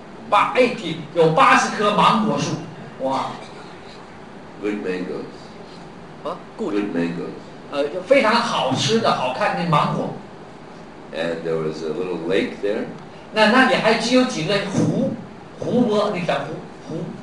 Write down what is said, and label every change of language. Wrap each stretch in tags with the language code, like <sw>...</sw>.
<zh>80个。有80棵芒果树。哇。</zh> <en>Good mangoes. Good mangoes.</en> <zh>非常好吃的好看的芒果。</zh> <en>And there was a little lake there.</en> <zh>那里还只有几个湖泊，那叫湖。</zh>